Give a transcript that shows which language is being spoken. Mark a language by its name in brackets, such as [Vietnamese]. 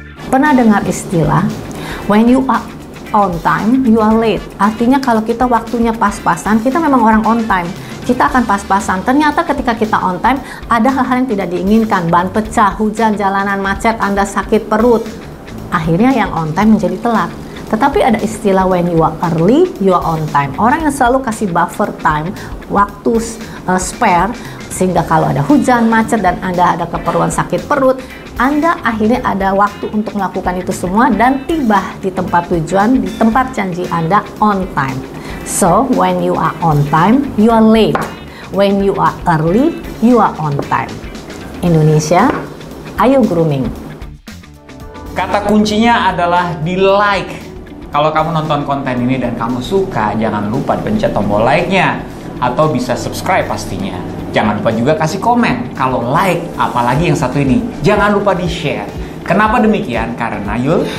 [Indonesian] Pernah dengar istilah, [English] when you are on time, you are late. [Indonesian] Artinya kalau kita waktunya pas-pasan, kita memang orang on time. Kita akan pas-pasan. Ternyata ketika kita on time, ada hal-hal yang tidak diinginkan. Ban pecah, hujan, jalanan macet, Anda sakit perut. Akhirnya yang on time menjadi telat. Tetapi ada istilah [English] when you are early, you are on time. [Indonesian] Orang yang selalu kasih buffer time, waktu spare, sehingga kalau ada hujan, macet, dan Anda ada keperluan sakit perut, Anda akhirnya ada waktu untuk melakukan itu semua dan tiba di tempat tujuan, di tempat janji Anda on time. [English] So, when you are on time, you are late. When you are early, you are on time. [Indonesian] Indonesia, ayo grooming. Kata kuncinya adalah di like. Kalau kamu nonton konten ini dan kamu suka, jangan lupa pencet tombol like-nya. Atau bisa subscribe pastinya. Jangan lupa juga kasih komen kalau like, apalagi yang satu ini. Jangan lupa di-share. Kenapa demikian? Karena Yul?